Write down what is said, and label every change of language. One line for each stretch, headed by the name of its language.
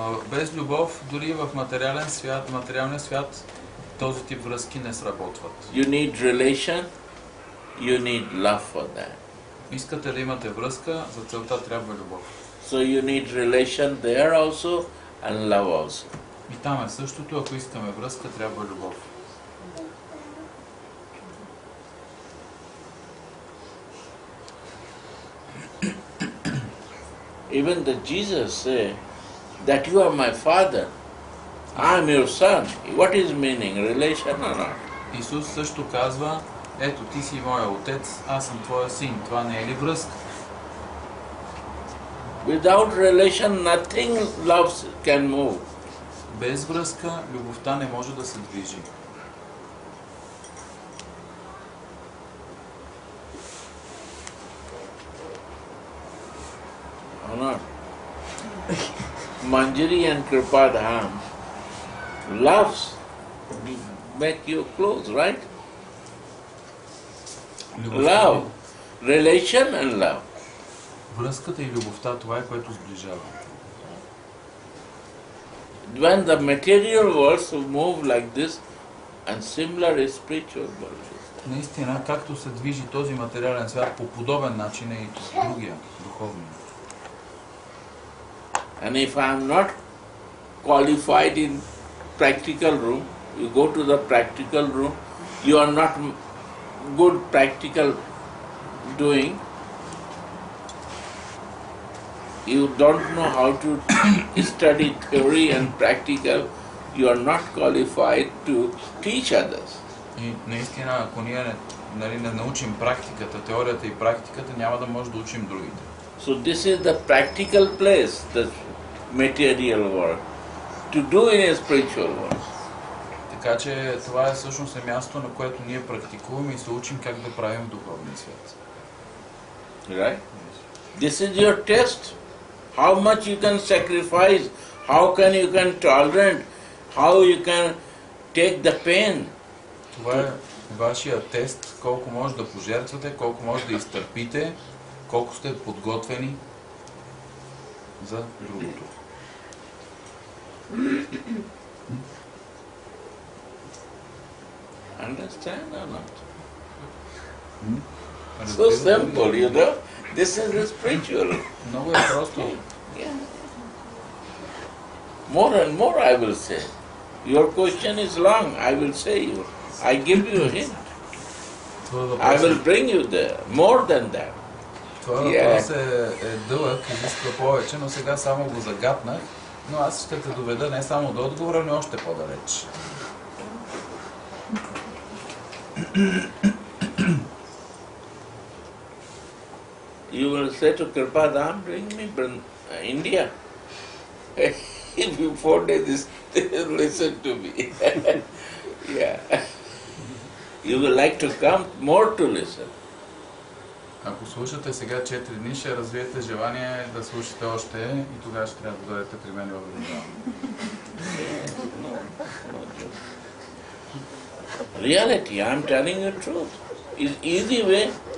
Bulgarian: Без любов, дори в материален свят, материалния свят, този тип връзки не сработват.
English: You need relation, you need love for that.
Bulgarian: Искате да имате връзка, за целта трябва любов.
English: So you need relation there also and love also.
Bulgarian: И там е същото, ако искаме връзка, трябва любов.
English: Even the Jesus say that you are my father, I am your son. What is meaning? Relation or not?
Bulgarian: Исус също казва, ето ти си моя отец, аз съм твоя син. Това не е ли връзка?
English: Without relation, nothing love can move.
Bulgarian: Без връзка любовта не може да се движи.
English: Manjari and Kripa Dham loves make you close, right? Love, relation and love.
Bulgarian: Връзката и любовта, това е което сближава.
English: When the material worlds move like this, and similar is spiritual world.
Bulgarian: Наистина, както се движи този материален свят по подобен начин е и другия духовния.
English: And if I am not qualified in practical room, you go to the practical room, you are not good practical doing, you don't know how to study theory and practical, you are not qualified to teach others.
Bulgarian: И наистина, ако ние не научим практиката, теорията и практиката, няма да може да учим другите.
English: So this is the practical place, the material world, to do in a spiritual world.
Bulgarian: Така че това е всъщност място, на което ние практикуваме и се учим как да правим духовния свят.
English: Right? Yes. This is your test. How much you can sacrifice, how can you can tolerate, how you can take the pain.
Bulgarian: Това е вашия тест, колко може да пожертвате, колко може да изтърпите, колко сте подготвени за другото.
English: Understand or not? So simple, you know? This is the spiritual.
Bulgarian: Много е просто.
English: More and more I will say. Your question is long, I will say you. I give you a hint. I will bring you there, more than that.
Bulgarian: Това въпрос е дълъг, изисква повече, но сега само го загатнах. Но аз ще те доведа не само до отговора, но още по-далеч.
English: You will say to Kripadam, bring me India. If you 4 days, listen to me. Yeah. You would like to come more to listen.
Bulgarian: Ако слушате сега 4 дни, ще развиете желание да слушате още и тогава ще трябва да дойдете при мен в Вриндава.
English: Reality, I am telling you truth. It's easy way.